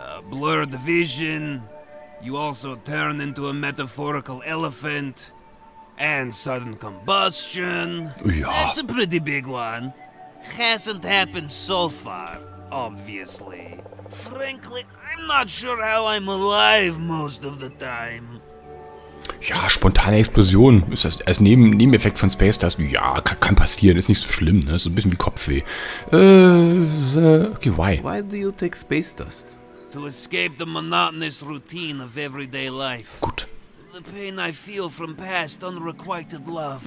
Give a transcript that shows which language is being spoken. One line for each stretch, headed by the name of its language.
English: Blurred vision. You also turn into a metaphorical elephant. And sudden combustion. Yeah. That's a pretty big one. Hasn't happened so far, obviously. Frankly, I'm not sure how I'm alive most of the time.
German: Ja, spontane Explosion ist das als Nebeneffekt von Space Dust. Ja, kann passieren, ist nicht so schlimm, ne? So ein bisschen wie Kopfweh.
English: Okay, why? Why do you take Space Dust? To escape the monotonous routine of everyday life.
German: Gut.
English: The pain I feel from past unrequited love.